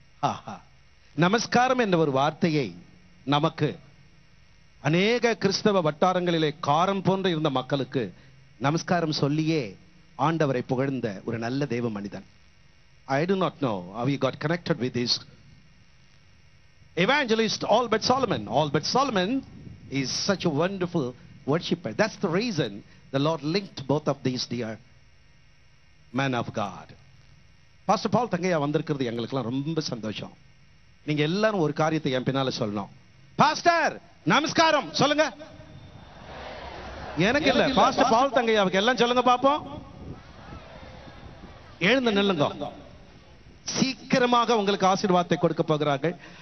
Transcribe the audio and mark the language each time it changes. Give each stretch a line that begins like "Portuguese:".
Tamil: ஆஹா, நமஸ்காரம் என்ற ஒரு வார்த்தையை நமக்கு அநேக கிறிஸ்தவ வட்டாரங்களிலே காரம் போன்று இருந்த மக்களுக்கு நமஸ்காரம் சொல்லியே ஆண்டவரை புகழ்ந்த ஒரு நல்ல தேவ மனிதன்.
English: I do not know how he got connected with this evangelist Albert Solomon is such a wonderful worshipper. That's the reason the Lord linked both of these dear men of God.
Tamil: Pastor Paul தங்கையா வந்திருக்கிறது எங்களுக்கெல்லாம் ரொம்ப சந்தோஷம். நீங்க எல்லாரும் ஒரு காரியத்தை என் பின்னால சொல்லணும். பாஸ்டர் நமஸ்காரம் சொல்லுங்க. எனக்கு இல்ல, பாஸ்டர் பால் தங்கையாவுக்கு எல்லாம் சொல்லுங்க பாப்போம். எழுந்து நில்லுங்க. சீக்கிரமாக உங்களுக்கு ஆசீர்வாதத்தை கொடுக்க போகிறார்கள்.